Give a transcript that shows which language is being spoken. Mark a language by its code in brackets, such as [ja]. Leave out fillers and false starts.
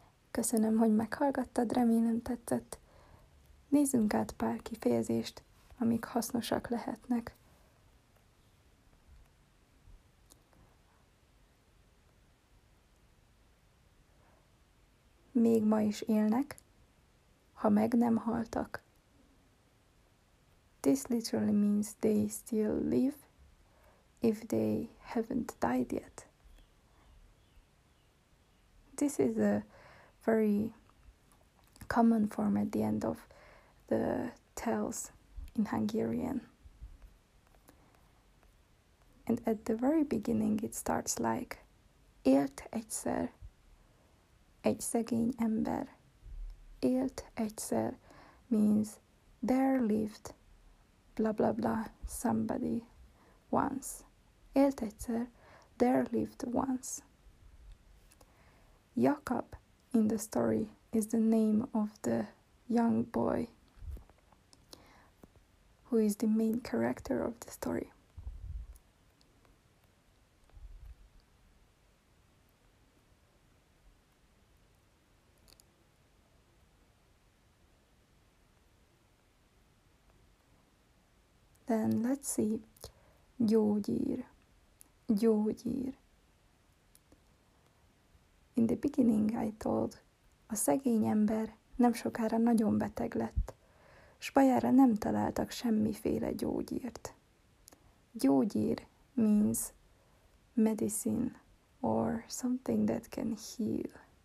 [hu] Köszönöm, hogy meghallgattad, remélem tetszett. Nézzünk át pár kifejezést, amik hasznosak lehetnek. Még ma is élnek, ha meg nem haltak. [en] This literally means they still live if they haven't died yet. This is a very common form at the end of the tales in Hungarian. And at the very beginning it starts like [hu] élt egyszer, egy szegény ember. Élt egyszer [en] means there lived blah blah blah somebody once. [hu] Élt egyszer, [en] there lived once. Jakab in the story is the name of the young boy who is the main character of the story. Then let's see, gyógyír, gyógyír. In the beginning I told, [hu] a szegény ember nem sokára nagyon beteg lett, s bajára nem találtak semmiféle gyógyírt. [en] Gyógyír means medicine or something that can heal.